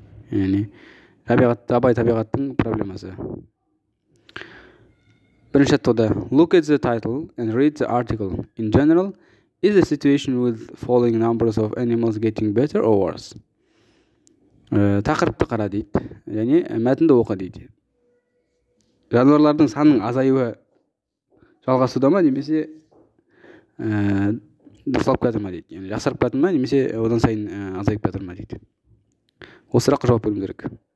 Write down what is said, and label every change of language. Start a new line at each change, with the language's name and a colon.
Kazakh: Яғни жабайы табиғаттың проблемасы. Бірінші тұрда,
English: look at the title and read the article. In general, is the situation with falling numbers of animals getting better or worse?
Kazakh: Тақырыпты қара дейді, және мәтінді оқы дейді. Жануарлардың санының азаюы жалғасуда ма, немесе дұрысталып кетті ма дейді. Яғни жақсарып кетті ма, немесе одан сайын азайып кетті ма дейді. Осы сұраққа жауап беру керек.